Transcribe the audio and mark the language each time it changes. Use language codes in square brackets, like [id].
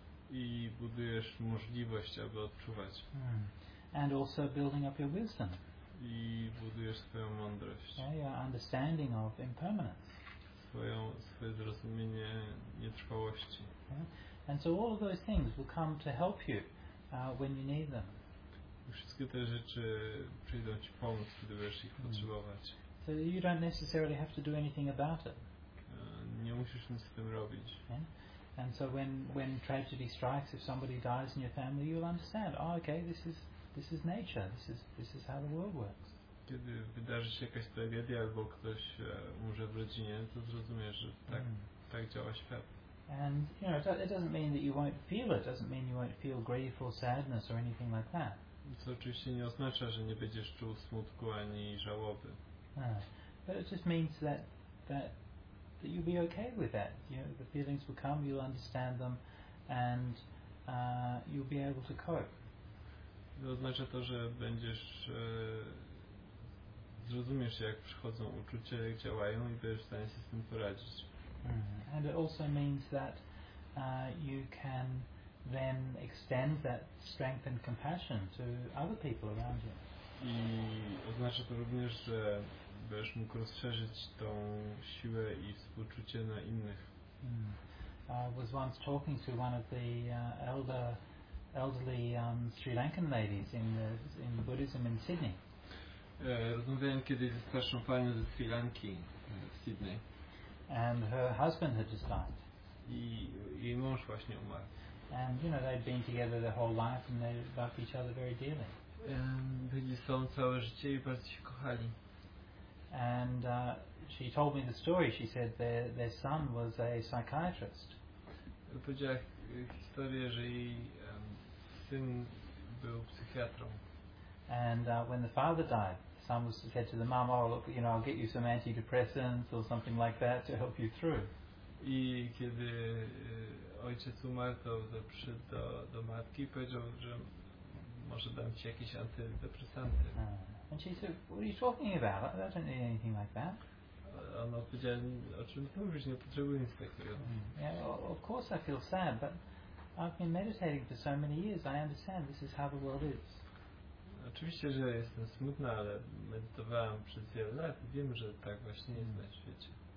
[pl] I budujesz możliwość, aby odczuwać. [en] And also building up your wisdom. [pl] I budujesz swoją mądrość. [en] Yeah, your understanding of impermanence. [pl] Swoje zrozumienie nietrwałości. [en] Yeah. And so all of those things will come to help you when you need them. [pl] Wszystkie te rzeczy przyjdą ci pomóc, kiedy będziesz ich potrzebować. [en] So you don't necessarily have to do anything about it. [pl] Nie musisz nic z tym robić. [en] Yeah. And so when tragedy strikes, if somebody dies in your family, you'll understand. Oh, okay, this is nature. This is how the world works. [pl] Kiedy wydarzy się jakaś tragedia albo ktoś umrze w rodzinie, to zrozumiesz, że tak działa świat. [en] And you know, it doesn't mean that you won't feel it. Doesn't mean you won't feel grief or sadness or anything like that. [pl] Co oczywiście nie oznacza, że nie będziesz czuł smutku ani żałoby. [en] But it just means that you'll be okay with that. You know, the feelings will come, you'll understand them, and you'll be able to cope. [pl] To oznacza to, że będziesz zrozumiesz, jak przychodzą uczucia, jak działają i będziesz w stanie się z tym poradzić. [en] And it also means that you can then extend that strength and compassion to other people around you. [pl] I oznacza to również, że będziesz mógł rozszerzyć tą siłę i współczucie na innych. [en] I was once talking to one of the elderly Sri Lankan ladies in the Buddhism in Sydney. [pl] Rozmawiałem kiedyś ze starszą panią ze Sri Lanki w Sydney. [en] And her husband had just died. [pl] I mąż właśnie umarł. [en] And you know, they'd been together their whole life and they loved each other very dearly. [pl] Byli z sobą całe życie i bardzo się kochali. [en] And she told me the story. She said their son was a psychiatrist. [pl] Powiedziała historię, że jej syn był psychiatrą. [en] And when the father died, the son was said to the mom, "Oh, look, you know, I'll get you some antidepressants or something like that to help you through." [pl] I kiedy ojciec umarł, to przyszedł do matki i powiedział, że może dam ci jakieś antydepresanty. [en] And she said, "What are you talking about? I don't need anything like that." [pl] Ona powiedziała, o czym ty mówisz, nie potrzebuję nic takiego. [en] Yeah, well, of course I feel sad, but I've been meditating for so many years, I understand this is how the world is. [pl] Oczywiście, że jestem smutna, ale medytowałem przez wiele lat i wiem, że tak właśnie jest na świecie.